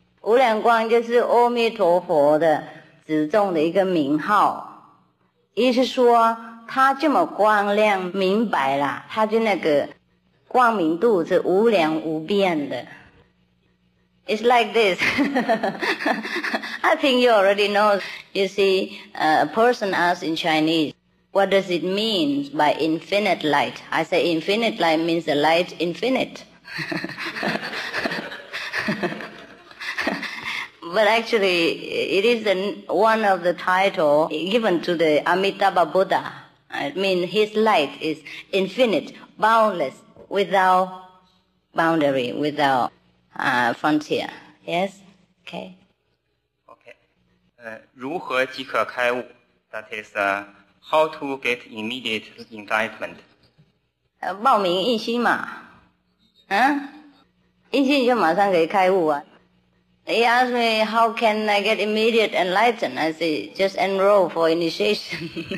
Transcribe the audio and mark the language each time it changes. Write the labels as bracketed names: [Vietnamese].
[Chinese] 无量光就是阿弥陀佛的子众的一个名号，意思说他这么光亮明白了，他就那个光明度是无量无边的。 [English] It's like this. I think you already know. You see, a person asks in Chinese, what does it mean by infinite light? I say infinite light means the light infinite. But actually, it is one of the titles given to the Amitabha Buddha. It means his light is infinite, boundless, without boundary, without frontier. Yes? Okay. Okay. [Chinese] 如何即可开悟? [English] That is, how to get immediate enlightenment? [Chinese] 报名一心嘛。一心就马上可以开悟啊。 [English] He asked me, how can I get immediate enlightenment? I said, just enroll for initiation.